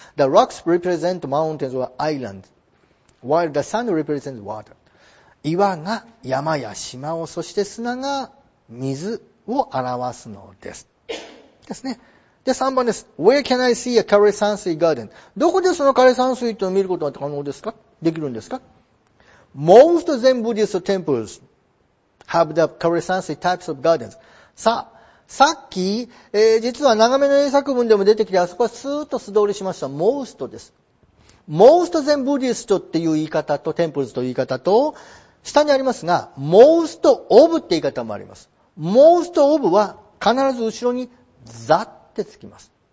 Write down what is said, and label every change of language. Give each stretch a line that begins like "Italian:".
English: the rocks represent mountains or islands while the sand represents water。
Japanese: 岩が山や島を、そして砂が水を表すのです。ですね。で、3番です。
English: Where can I see a 枯山水 garden?
Japanese: どこでその枯山水というのを見ることが可能ですか？できるんですか？
English: Most Zen Buddhist temples have the 枯山水 types of gardens.
Japanese: さあ、さっき、実は長めの英作文でも出てきて、あそこはスーッと素通りしました。Most です。 Most Zen Buddhist という言い方と Temples という言い方と、下にありますが Most of という言い方もあります。 Most of は必ず後ろに The ってつきます。